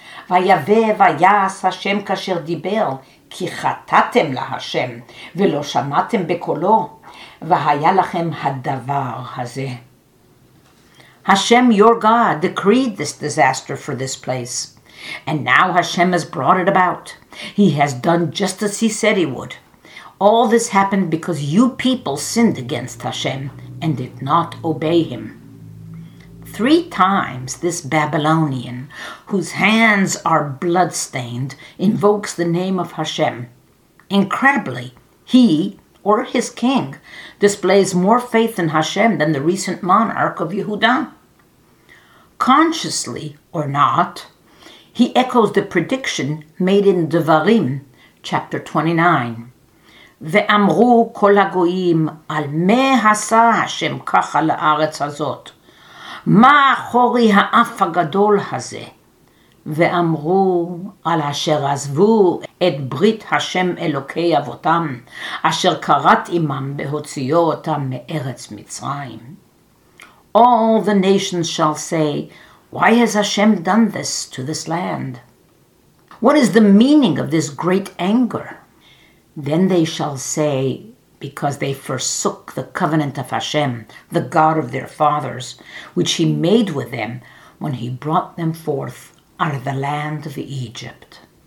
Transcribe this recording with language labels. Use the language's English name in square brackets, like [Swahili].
[Hebrew] ויבה ויעש השם כאשר דיבר, כי חטאתם להשם, ולא שמעתם בקולו, והיה לכם הדבר הזה. [English] Hashem, your God, decreed this disaster for this place. And now Hashem has brought it about. He has done just as he said he would. All this happened because you people sinned against Hashem and did not obey him. Three times this Babylonian, whose hands are bloodstained, invokes the name of Hashem. Incredibly, he, or his king, displays more faith in Hashem than the recent monarch of Yehuda. Consciously or not, he echoes the prediction made in Devarim, chapter 29. [Hebrew] ואמרו כל הגויים, על מה עשה השם ככה לארץ הזאת? מה אחורי האף הגדול הזה? ואמרו על אשר עזבו את ברית השם אלוקי אבותם, אשר קראת עמם בהוציאו אותם מארץ מצרים. [English] All the nations shall say, why has Hashem done this to this land? What is the meaning of this great anger? Then they shall say, because they forsook the covenant of Hashem, the God of their fathers, which he made with them when he brought them forth out of the land of Egypt.